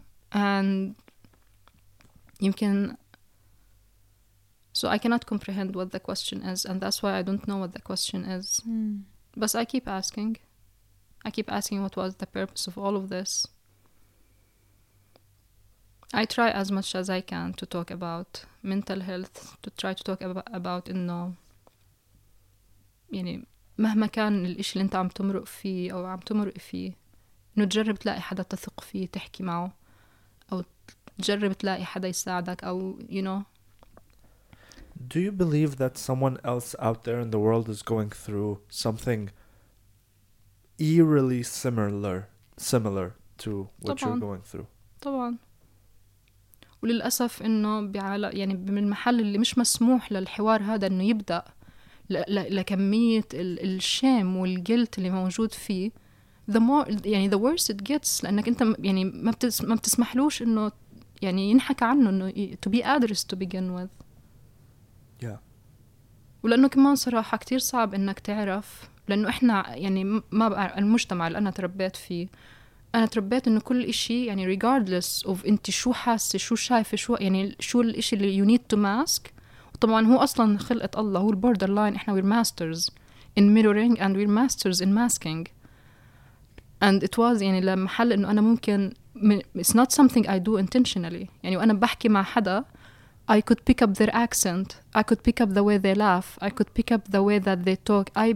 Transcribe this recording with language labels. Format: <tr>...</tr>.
<en>And يمكن so I cannot comprehend what the question is, and that's why I don't know what the question is. Mm. But I keep asking. I keep asking what was the purpose of all of this. I try as much as I can to talk about</en> <ar>mental health, to try to talk about إنه يعني مهما كان الإشي اللي أنت عم تمرق فيه أو عم تمرق فيه إنه تجرب تلاقي حدا تثق فيه تحكي معه أو تجرب تلاقي حدا يساعدك أو</ar> <en>you know. Do you believe that someone else out there in the world is going through something eerily similar to what طبعاً. You're going through?</en> <ar>طبعاً. وللأسف إنه بعالم يعني من المحل اللي مش مسموح للحوار هذا إنه يبدأ لكمية الشام والجلت اللي موجود فيه</ar> <en>the more</en> <ar>يعني</ar> <en>the worse it gets</en> <ar>لأنك أنت يعني ما بتسمحلوش إنه يعني ينحكى عنه إنه</ar> <en>to be addressed to begin with. Yeah.</en> <ar>ولأنه كمان صراحة كتير صعب إنك تعرف لأنه إحنا يعني ما المجتمع اللي أنا تربيت فيه أنا تربيت إنه كل إشي يعني</ar> <en>regardless of</en> <ar>أنت شو حاسة شو شايفة شو يعني شو الإشي اللي</ar> <en>you need to mask.</en> <ar>طبعاً هو أصلاً خلقة الله هو borderline. إحنا</ar> <en>we're masters in mirroring and we're masters in masking. And it was</en> <ar>يعني لمحل إنه أنا ممكن</ar> <en>it's not something I do intentionally.</en> <ar>يعني وأنا بحكي مع حدا</ar> <en>I could pick up their accent, I could pick up the way they laugh, I could pick up the way that they talk.</en>